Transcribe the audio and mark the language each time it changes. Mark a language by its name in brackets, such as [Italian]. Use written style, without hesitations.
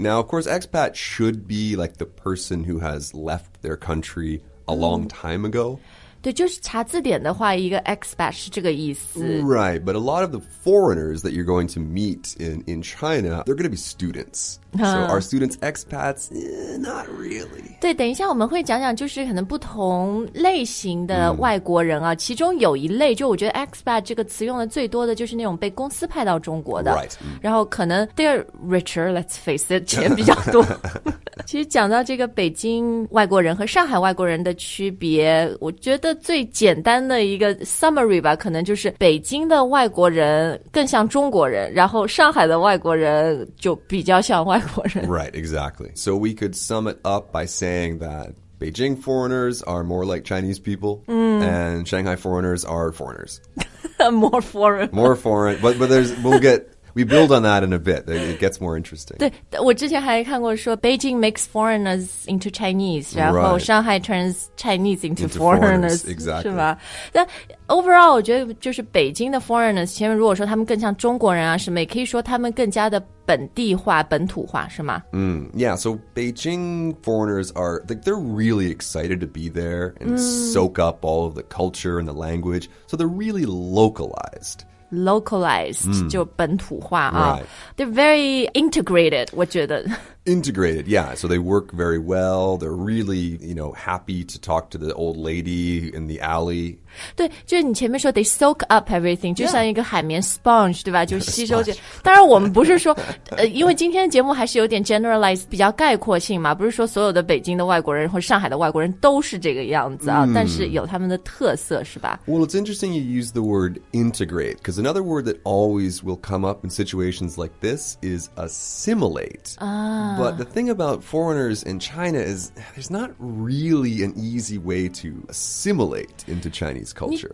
[English] Now, of course, expat should be like the person who has left their country a long time ago. [Chinese] 对就是查字典的话一个 expat 是这个意思。 [English] Right, but a lot of the foreigners that you're going to meet in China, they're going to be students. So are students expats? Not really. [Chinese] 对，等一下我们会讲讲，就是可能不同类型的外国人啊。其中有一类，就我觉得 expat 这个词用的最多的，就是那种被公司派到中国的。 [English] Right. [Chinese] 然后可能 [English] they're richer. Let's face it, [Chinese] 钱比较多。其实讲到这个北京外国人和上海外国人的区别，我觉得最简单的一个 summary 吧，可能就是北京的外国人更像中国人，然后上海的外国人就比较像。 [English] Right, exactly. So we could sum it up by saying that Beijing foreigners are more like Chinese people, and Shanghai foreigners are foreigners. More foreign. More foreign, but there's, we'll get... We build on that in a bit. It gets more interesting. [Chinese] 对，我之前还看过说 [English] Beijing makes foreigners into Chinese, [Chinese] 然后 [English] Right. Shanghai turns Chinese into foreigners. Exactly. [Chinese] 是吧？那 overall, 我觉得就是北京的 foreigners, 前面如果说他们更像中国人啊什么，也可以说他们更加的本地化、本土化，是吗？ [English] Yeah, so Beijing foreigners are, like, they're really excited to be there and soak up all of the culture and the language. So they're really localized. [Chinese] Localized, 就本土化啊、 [English] right. They're very integrated, [Chinese] 我觉得 [English] Integrated, yeah, so they work very well. They're really, you know, happy to talk to the old lady in the alley. [Chinese] 对，就是你前面说 [English] they soak up everything,、 [Chinese] 就像一个海绵 sponge, 对吧，就吸收着。当然我们不是说因为今天的节目还是有点 generalized, 比较概括性嘛，不是说所有的北京的外国人或上海的外国人都是这个样子啊、但是有他们的特色是吧。 [English] Well, it's interesting you use the word integrate, because another word that always will come up in situations like this is assimilate. But the thing about foreigners in China is there's not really an easy way to assimilate into Chinese culture.